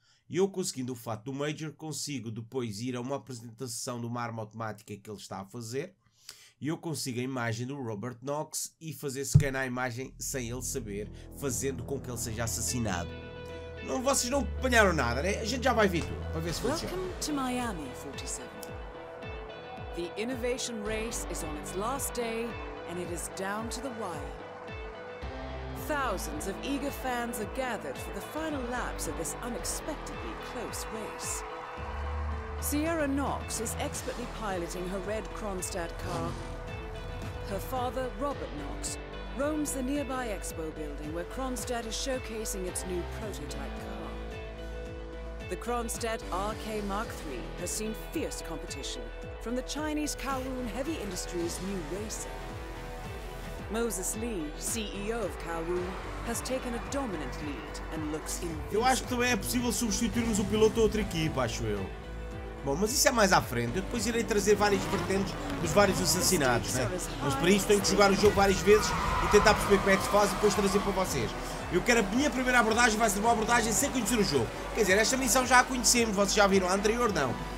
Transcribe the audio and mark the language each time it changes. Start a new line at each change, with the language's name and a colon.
Portuguese: E eu, conseguindo o fato do Major, consigo depois ir a uma apresentação de uma arma automática que ele está a fazer. E eu consigo a imagem do Robert Knox e fazer scanar a imagem sem ele saber, fazendo com que ele seja assassinado. Não, vocês não apanharam nada, né? A gente já vai ver tudo, para ver se funciona.
English: Welcome to Miami, 47. The innovation race is on its last day and it is down to the wire. Thousands of eager fans are gathered for the final laps of this unexpectedly close race. Sierra Knox is expertly piloting her red Kronstadt car. Her father, Robert Knox, roams the nearby expo building where Kronstadt is showcasing its new prototype car. The Kronstadt RK Mark III has seen fierce competition from the Chinese Kowloon Heavy Industries' new racer. Moses Lee, CEO of Kowloon, has taken a dominant lead and looks invincible.
Portuguese: Eu acho que também é possível substituirmos o piloto a outra equipa, acho eu. Bom, mas isso é mais à frente. Eu depois irei trazer várias vertentes dos vários assassinatos, né? Mas para isso tenho que jogar o jogo várias vezes e tentar perceber como é que se faz e depois trazer para vocês. Eu quero a minha primeira abordagem, vai ser uma abordagem sem conhecer o jogo. Quer dizer, esta missão já a conhecemos, vocês já viram. A anterior não.